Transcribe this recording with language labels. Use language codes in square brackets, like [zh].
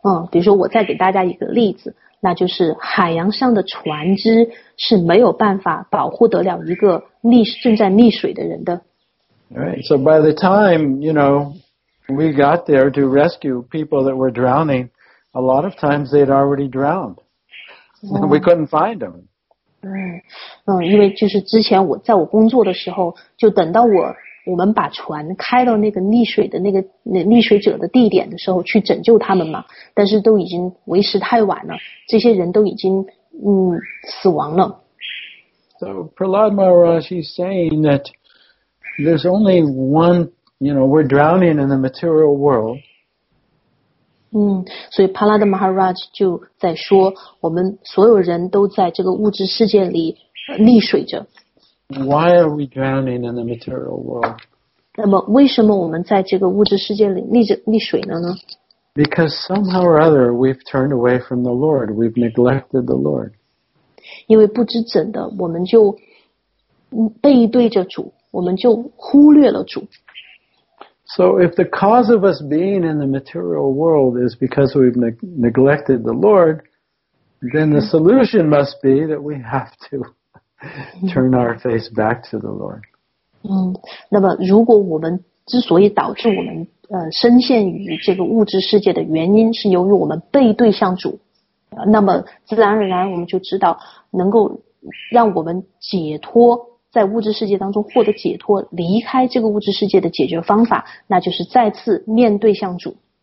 [zh] 比如说我再给大家一个例子，那就是海洋上的船只是没有办法保护得了一个正在溺水的人的。 [en] Right. So by the time, you know, we got there to rescue people that were drowning, a lot of times they'd already drowned. We couldn't find them. [zh] 因为就是之前我在我工作的时候，就等到我们把船开到那个溺水的那溺水者的地点的时候去拯救他们嘛，但是都已经为时太晚了，这些人都已经死亡了。 [en] So Prahlad Maharaj is saying that there's only one, you know, we're drowning in the material world. [zh] 所以 Prahlad Maharaj 就在说，我们所有人都在这个物质世界里溺水着。 [en] Why are we drowning in the material world? [zh] 那么为什么我们在这个物质世界里溺水了呢？ [en] Because somehow or other we've turned away from the Lord. We've neglected the Lord. [zh] 因为不知怎的，我们就背对着主，我们就忽略了主。 [en] So if the cause of us being in the material world is because we've neglected the Lord, then the solution must be that we have to turn our face back to the Lord. [zh] 那么如果我们之所以导致我们深陷于这个物质世界的原因是由于我们背对向主，那么自然而然我们就知道能够让我们解脱在物质世界当中获得解脱，离开这个物质世界的解决方法，那就是再次面对向主。